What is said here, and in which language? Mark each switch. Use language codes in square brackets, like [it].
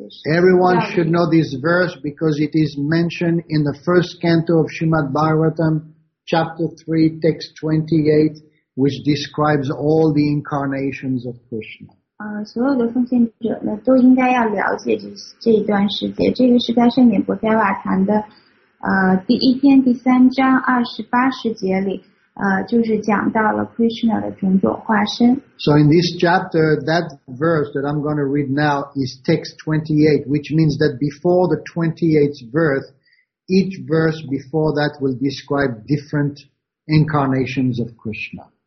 [en] Everyone should know this verse because it is mentioned in the first canto of Srimad Bhagavatam, chapter 3, text 28, which describes all the incarnations of Krishna. [zh] 所有的奉献者呢都应该要了解这一段世界。这个是在圣典薄伽瓦坛的第一篇第三章28世节里。就是讲到了 Krishna 的种种化身。 [en] So in this chapter, that verse that I'm going to read now is text 28, which means that before the 28th verse, each verse before that will describe different incarnations of Krishna.